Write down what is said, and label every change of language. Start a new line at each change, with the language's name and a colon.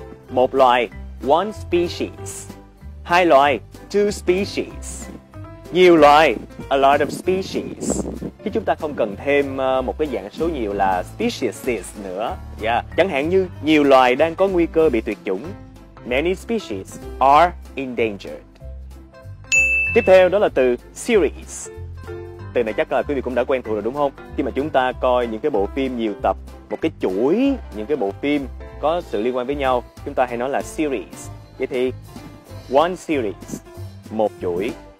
Vietnamese: Một loài,
English: one species.
Vietnamese: Hai loài,
English: two species.
Vietnamese: Nhiều loài,
English: a lot of species.
Vietnamese: Chứ chúng ta không cần thêm một cái dạng số nhiều là species nữa. Yeah. Chẳng hạn như nhiều loài đang có nguy cơ bị tuyệt chủng.
English: Many species are endangered.
Vietnamese: Tiếp theo đó là từ series. Từ này chắc là quý vị cũng đã quen thuộc rồi đúng không? Khi mà chúng ta coi những cái bộ phim nhiều tập, một cái chuỗi những cái bộ phim có sự liên quan với nhau, chúng ta hay nói là series. Vậy thì
English: one series,
Vietnamese: một chuỗi.